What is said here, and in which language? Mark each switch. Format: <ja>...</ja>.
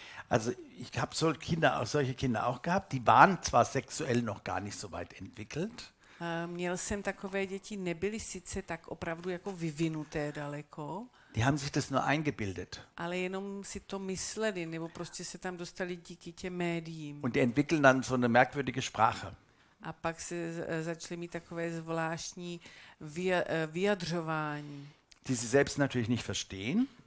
<de>Also ich habe so Kinder, solche Kinder auch gehabt, die waren zwar sexuell noch gar nicht so weit entwickelt.</de> <cs>Měl jsem takové děti, nebyly sice tak opravdu jako vyvinuté daleko.</cs> <de>Die haben sich das nur eingebildet.</de> <cs>Ale jenom si to mysleli, nebo prostě se tam dostali díky těm médiím.</cs> <de>Und die entwickeln dann so eine merkwürdige Sprache.</de> <cs>A pak se začali mít takové zvláštní vyjadřování,</cs> <de>die sie selbst natürlich nicht verstehen,</de>